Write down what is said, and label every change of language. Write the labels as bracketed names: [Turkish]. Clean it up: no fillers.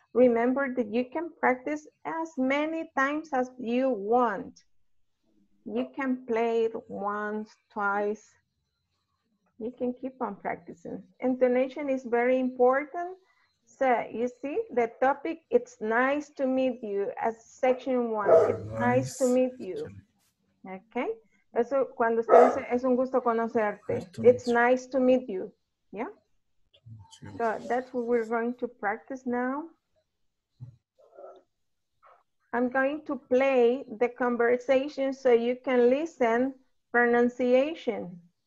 [English] Remember that you can practice as many times as you want. You can play it once, twice. You can keep on practicing. Intonation is very important. So you see the topic, it's nice to meet you as section one. It's nice to meet you. Okay. [Spanish] Eso cuando usted dice, es un gusto conocerte. [English] It's nice to meet you. Yeah. So that's what we're going to practice now. I'm going to play the conversation so you can listen pronunciation.